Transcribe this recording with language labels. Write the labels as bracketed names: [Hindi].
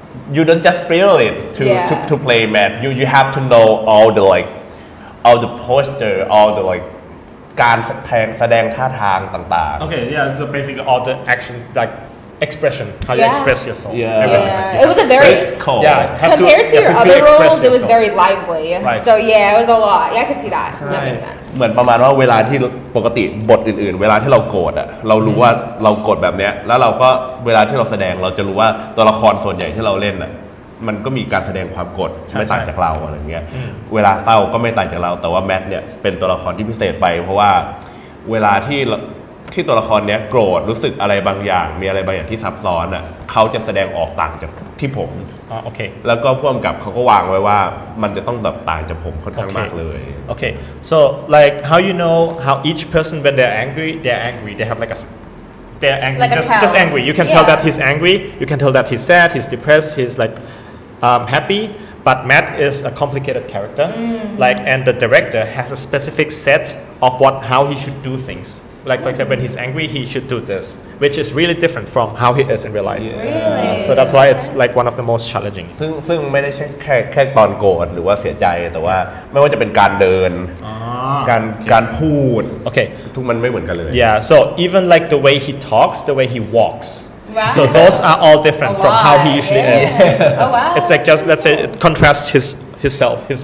[English] You don't just feel it to play Matt. You have to know all the poster, all the like, [Thai] การแสดงท่าทางต่าง [English] ๆ Okay, yeah. So basically, all the action, like expression, how you express yourself. Yeah. It was a very cool. Yeah. Compared to your other roles, it was very lively. Right. So yeah, it was a lot. Yeah, I could see that. Right. That makes sense. [Thai] เหมือนประมาณว่าเวลาที่ปกติบทอื่นๆเวลาที่เราโกรธอ่ะเรารู้ว่าเราโกรธแบบเนี้ยแล้วเราก็เวลาที่เราแสดงเราจะรู้ว่าตัวละครส่วนใหญ่ที่เราเล่นอ่ะมันก็มีการแสดงความโกรธไม่ต่างจากเราอะไรเงี้ยเวลาเศร้าก็ไม่ต่างจากเราแต่ว่าแมทเนี่ยเป็นตัวละครที่พิเศษไปเพราะว่าเวลาที่ตัวละครเนี้ยโกรธรู้สึกอะไรบางอย่างมีอะไรบางอย่างที่ซับซ้อนอ่ะเขาจะแสดงออกต่างจากที่ผม โอเค แล้วก็พ่วงกับเขาก็วางไว้ว่ามันจะต้องแบบต่างจากผมค่อนข้างมากเลย [English] โอเค so like how you know how each person when they're angry they have like athey're angry like just angry you can tell that he's angry you can tell that he's sad he's depressed he's like happy but Matt is a complicated character like and the director has a specific set of what how he should do things. Like for example, when he's angry, he should do this, which is really different from how he is in real life. Yeah. Really? So that's why it's like one of the most challenging. [Thai] ซึ่งไม่ได้ใช่แค่ตอนโกรธหรือว่าเสียใจแต่ว่าไม่ว่าจะเป็นการเดินการพูด โอเค ทุกมันไม่เหมือนกันเลย [English] Yeah. So even like the way he talks, the way he walks. So those are all different from how he usually is. Oh wow. It's like just let's say it contrasts himself.